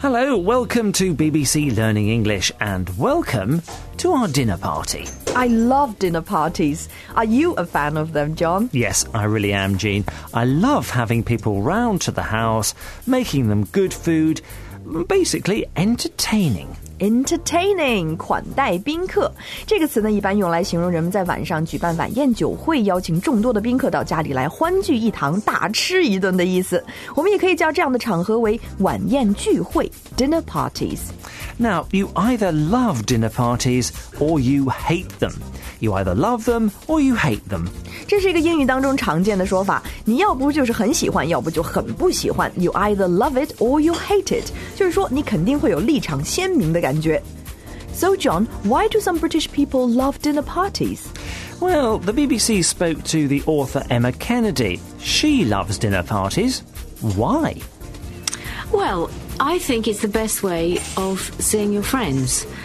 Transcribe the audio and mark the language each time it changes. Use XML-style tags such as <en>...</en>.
<en>Hello, welcome to BBC Learning English and welcome to our dinner party. I love dinner parties. Are you a fan of them, John? Yes, I really am, Jean. I love having people round to the house, making them good food, basically entertaining.</en> <zh>Entertaining, 款待宾客。这个词呢一般用来形容人们在晚上举办晚宴酒会，邀请众多的宾客到家里来欢聚一堂，大吃一顿的意思。我们也可以叫这样的场合为晚宴聚会， dinner parties.</zh> <en>Now, you either love dinner parties or you hate them. You either love them or you hate them.</en> <zh>这是一个英语当中常见的说法，你要不就是很喜欢，要不就很不喜欢。</zh> <en>You either love it or you hate it.</en> <zh>就是说你肯定会有立场鲜明的感觉。</zh> <en>So John, why do some British people love dinner parties? Well, the BBC spoke to the author Emma Kennedy. She loves dinner parties. Why? Well, I think it's the best way of seeing your friends.</en>